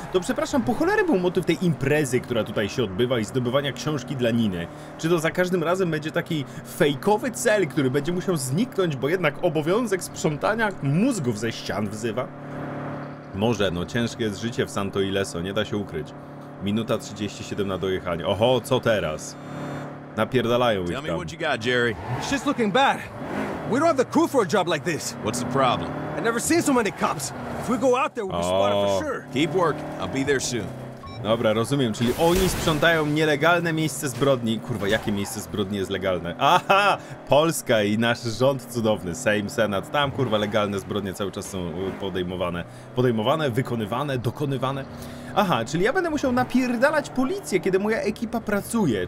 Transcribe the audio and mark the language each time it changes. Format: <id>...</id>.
<pl>To przepraszam, po cholery był motyw tej imprezy, która tutaj się odbywa i zdobywania książki dla Niny. Czy to za każdym razem będzie taki fejkowy cel, który będzie musiał zniknąć, bo jednak obowiązek sprzątania mózgów ze ścian wzywa? Może, no ciężkie jest życie w Santo Ileso, nie da się ukryć. Minuta 37 na dojechanie. Oho, co teraz? Napierdalają ich tam.</pl> <en>Tell me what you got, Jerry. Shit's looking bad. We don't have the crew for a job like this. What's the problem? I've never seen so many cops. If we go out there, we'll be spotted for sure. Keep working. I'll be there soon.</en> <pl>Dobra, rozumiem, czyli oni sprzątają nielegalne miejsce zbrodni. Kurwa, jakie miejsce zbrodni jest legalne? Aha! Polska i nasz rząd cudowny, Sejm, Senat. Tam, kurwa, legalne zbrodnie cały czas są podejmowane. Podejmowane, wykonywane, dokonywane. Aha, czyli ja będę musiał napierdalać policję, kiedy moja ekipa pracuje.</pl>